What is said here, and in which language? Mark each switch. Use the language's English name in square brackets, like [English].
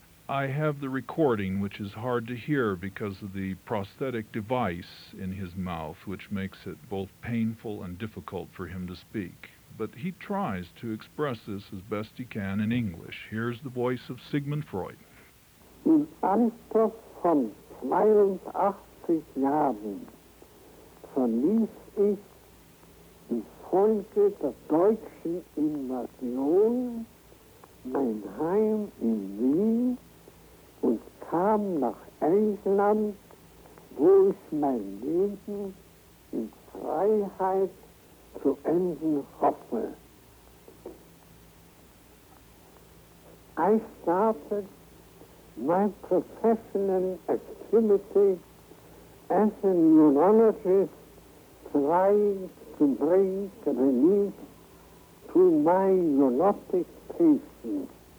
[English] I have the recording, which is hard to hear because of the prosthetic device in his mouth, which makes it both painful and difficult for him to speak. But he tries to express this as best he can in English. Here's the voice of Sigmund Freud. [German] Im Alter von 82 Jahren verließ ich infolge der deutschen Invasion mein Heim in Wien und kam nach England, wo ich mein Leben in Freiheit zu enden hoffe. [English] I started my professional activity as a neurologist trying to bring relief to my neurotic patients.